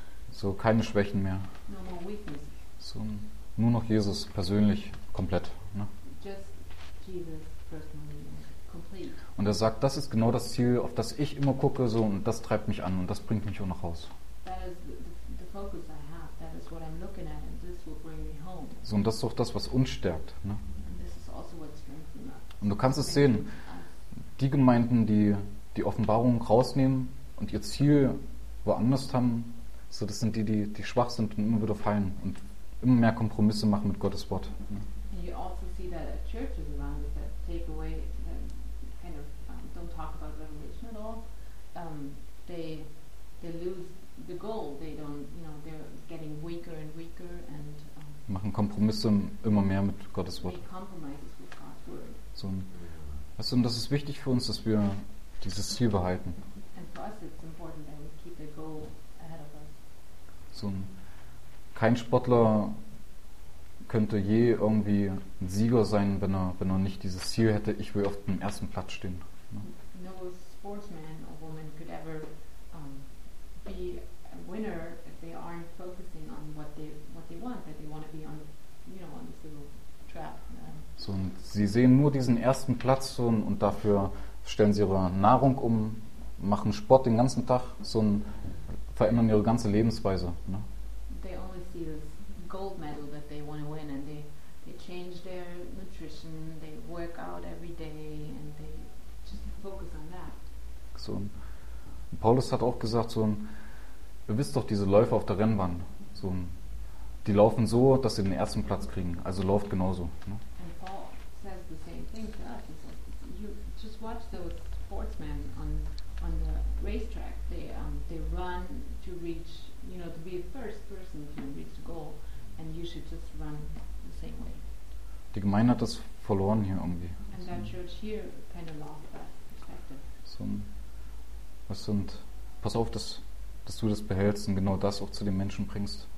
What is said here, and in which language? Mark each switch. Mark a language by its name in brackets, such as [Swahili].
[German] So keine Schwächen mehr. [English] No more weakness. [German] So nur noch Jesus persönlich komplett. Ne? [English] Just Jesus personally complete. [German] Und er sagt, das ist genau das Ziel, auf das ich immer gucke, so, und das treibt mich an und das bringt mich auch nach Haus. [English] That is the focus I have. That is what I'm looking at, and this will bring me home. [German] So, und das ist auch das, was uns stärkt. Ne? [English] And this is also what strengthens us. [German] Und du kannst es sehen, die Gemeinden, die die Offenbarung rausnehmen und ihr Ziel woanders haben, so, das sind die schwach sind und immer wieder fallen und immer mehr Kompromisse machen mit Gottes Wort. [English] And you also see that at churches around it that take away kind of don't talk about revelation at all. They lose the goal. They don't, you know, they're getting weaker and weaker and [German] machen Kompromisse immer mehr mit Gottes Wort. [English] Make compromises with God's word. [German] So, weißt du, und das ist wichtig für uns, dass wir dieses Ziel behalten. [English] And for us it's important that we keep the goal ahead of us. [German] So, kein Sportler könnte je irgendwie ein Sieger sein, wenn er nicht dieses Ziel hätte, ich will auf dem ersten Platz stehen. Ne? [English] No sportsman or woman could ever be a winner if they aren't focusing on what they want, that they want to be on, you know, on this little trap. [German] So, und sie sehen nur diesen ersten Platz und dafür stellen sie ihre Nahrung um, machen Sport den ganzen Tag, so, und verändern ihre ganze Lebensweise. Ne? [English] They only see this gold medal that they want to win and they change their nutrition, they work out every day and they just focus on that. [German] So, Paulus hat auch gesagt, so, ihr wisst doch, diese Läufer auf der Rennbahn, so, die laufen so, dass sie den ersten Platz kriegen, also läuft genauso. Ne? [English] And Paul says the same thing to us. He says, you just watch those sportsmen on the racetrack. They run to reach, you know, to be the first person to reach the goal, and you should just run the same way. [German] Die Gemeinde hat das verloren hier irgendwie. [English] And that church here kind of lost that perspective. [German] So, was sind, pass auf, dass du das behältst und genau das auch zu den Menschen bringst.